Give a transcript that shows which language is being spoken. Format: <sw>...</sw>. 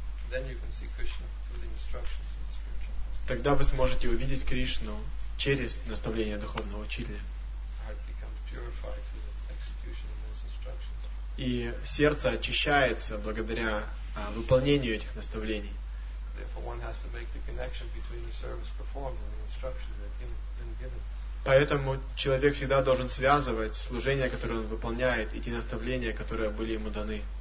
<en>Then you can see Krishna through the instructions of the spiritual master.</en> <ru>Тогда вы сможете увидеть Кришну через наставление духовного учителя.</ru> <en>Heart becomes purified through the execution of those instructions.</en> <ru>И сердце очищается благодаря выполнению этих наставлений.</ru> <en>Therefore, one has to make the connection between the service performed and the instructions that have been given.</en> <ru>Поэтому человек всегда должен связывать служение, которое он выполняет, и те наставления, которые были ему даны.</ru>